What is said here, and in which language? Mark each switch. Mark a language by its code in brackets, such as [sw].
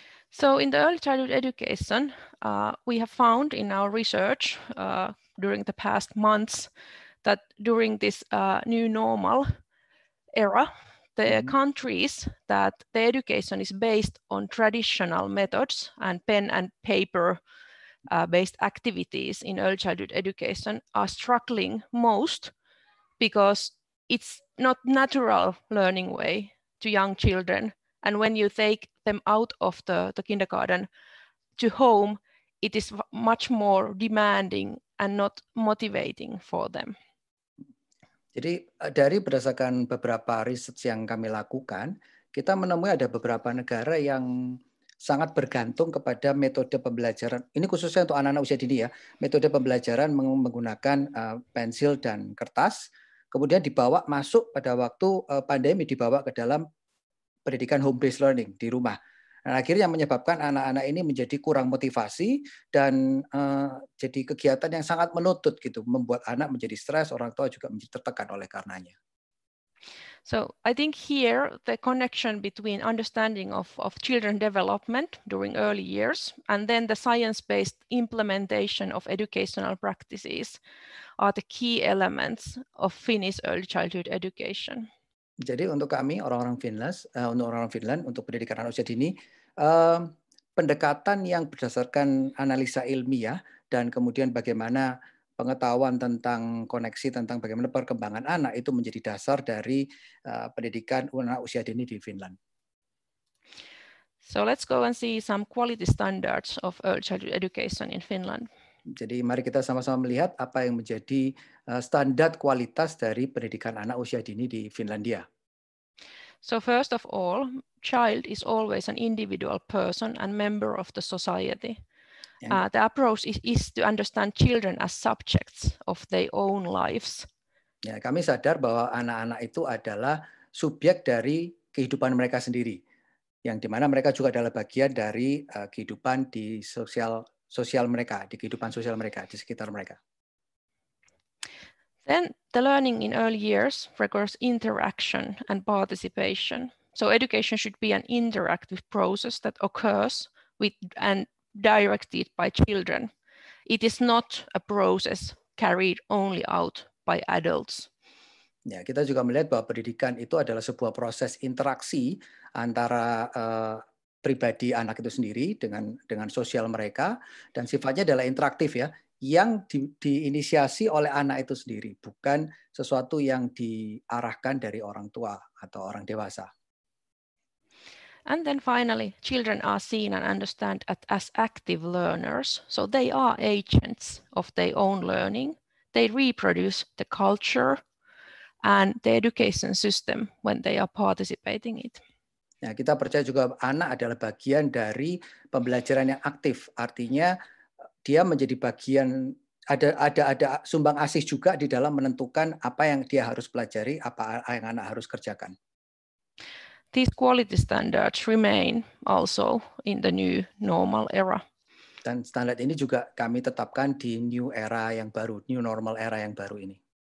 [en] So in the early childhood education, we have found in our research during the past months that during this new normal era, the countries that the education is based on traditional methods and pen and paper based activities in early childhood education are struggling most because it's not natural learning way to young children. And when you take them out of the kindergarten to home, it is much more demanding and not motivating for them. [id] Jadi dari berdasarkan beberapa riset yang kami lakukan, kita menemui ada beberapa negara yang sangat bergantung kepada metode pembelajaran. Ini khususnya untuk anak-anak usia dini ya, metode pembelajaran menggunakan pensil dan kertas, kemudian dibawa masuk pada waktu pandemi dibawa ke dalam pendidikan home-based learning di rumah. Dan akhirnya menyebabkan anak-anak ini menjadi kurang motivasi dan jadi kegiatan yang sangat menuntut gitu, membuat anak menjadi stres, orang tua juga menjadi tertekan oleh karenanya. [en] So, I think here the connection between understanding of children development during early years and then the science-based implementation of educational practices are the key elements of Finnish early childhood education. [id] Jadi untuk kami orang-orang Finland, untuk orang-orang Finland untuk pendidikan anak usia dini, pendekatan yang berdasarkan analisa ilmiah dan kemudian bagaimana pengetahuan tentang koneksi tentang bagaimana perkembangan anak itu menjadi dasar dari pendidikan anak usia dini di Finland. [en] So let's go and see some quality standards of early childhood education in Finland. [id] Jadi mari kita sama-sama melihat apa yang menjadi standar kualitas dari pendidikan anak usia dini di Finlandia. [en] So first of all, child is always an individual person and member of the society. The approach is to understand children as subjects of their own lives. [id] Ya, kami sadar bahwa anak-anak itu adalah subjek dari kehidupan mereka sendiri, yang dimana mereka juga adalah bagian dari kehidupan di sosial mereka, di kehidupan sosial mereka, di sekitar mereka. [en] Then the learning in early years requires interaction and participation. So education should be an interactive process that occurs with and directed by children. It is not a process carried only out by adults. [id] Ya, kita juga melihat bahwa pendidikan itu adalah sebuah proses interaksi antara pribadi anak itu sendiri dengan sosial mereka dan sifatnya adalah interaktif ya, yang diinisiasi oleh anak itu sendiri, bukan sesuatu yang diarahkan dari orang tua atau orang dewasa. [en] And then finally, children are seen and understood as active learners, so they are agents of their own learning. They reproduce the culture and the education system when they are participating in it. [id] Nah, kita percaya juga anak adalah bagian dari pembelajaran yang aktif. Artinya dia menjadi bagian, ada sumbang asih juga di dalam menentukan apa yang dia harus pelajari, apa yang anak harus kerjakan. [en] These quality standards remain also in the new normal era. [id] Dan standar ini juga kami tetapkan di new era yang baru, new normal era yang baru ini.